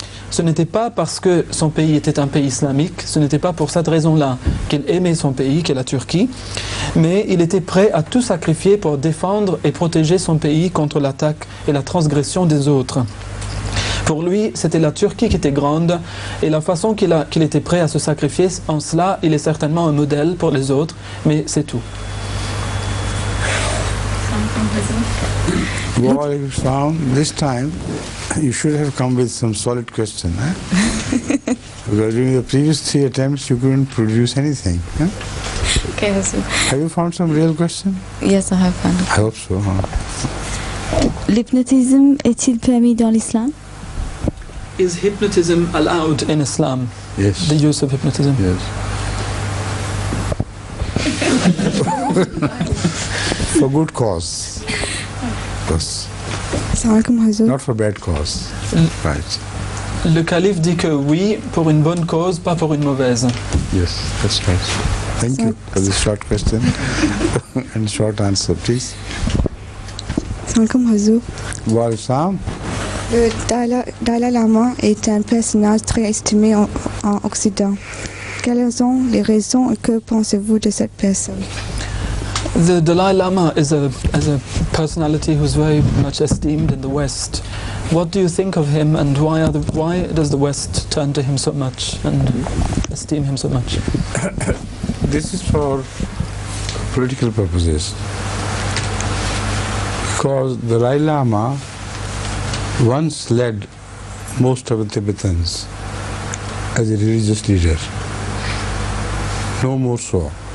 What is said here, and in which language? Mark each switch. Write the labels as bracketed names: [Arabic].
[French] Ce n'était pas parce que son pays était un pays islamique, ce n'était pas pour cette raison-là qu'il aimait son pays, qui est la Turquie, mais il était prêt à tout sacrifier pour défendre et protéger son pays contre l'attaque et la transgression des autres. Pour lui, c'était la Turquie qui était grande, et la façon qu'il était prêt à se sacrifier, en cela, il est certainement un modèle pour les autres, mais c'est tout. [Arabic] Waalaikumsalam. [English] This time, you should have come with some solid question. Eh? Because during the previous three attempts, you couldn't produce anything. Eh? Okay, Hassan. Have you found some real question? Yes, I have found. I hope so. [French] L'hypnotisme est-il permis dans l'islam? [English] Is hypnotism allowed in Islam? Yes. The use of hypnotism? Yes. For good cause. Not for bad cause. Right. [French] Le calife dit que oui, pour une bonne cause, pas pour une mauvaise. [English] Yes, that's right. Thank you for this short question and short answer, please. [Arabic] Salam Hazou. Wa alaikum. [French] Le Dalai Lama est un personnage très estimé en Occident. Quelles sont les raisons et que pensez-vous de cette personne? [English] The Dalai Lama is a personality who's very much esteemed in the West. What do you think of him, and why does the West turn to him so much and esteem him so much? This is for political purposes, because the Dalai Lama once led most of the Tibetans as a religious leader, no more so.